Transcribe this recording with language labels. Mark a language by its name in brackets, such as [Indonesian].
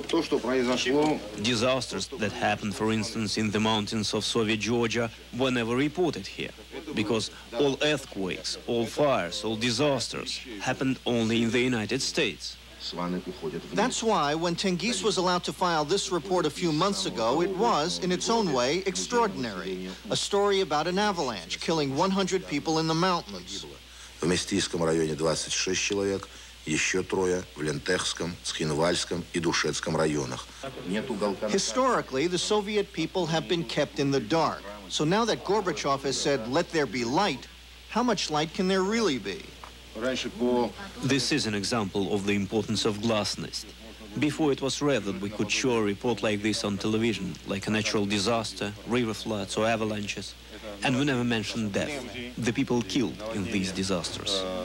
[English] Disasters that happened, for instance, in the mountains of Soviet Georgia were never reported here, because all earthquakes, all fires, all disasters happened only in the United States. That's why when Tengiz was allowed to file this report a few months ago, it was, in its own way, extraordinary. A story about an avalanche killing 100 people in the mountains. [Russian] В Местийском районе 26 человек, еще трое в Лентехском, Цхинвальском и Душецком районах. [English] Historically, the Soviet people have been kept in the dark. So now that Gorbachev has said, let there be light, how much light can there really be? This is an example of the importance of glasnost. Before, it was rare that we could show a report like this on television, like a natural disaster, river floods or avalanches, and we never mentioned death, the people killed in these disasters.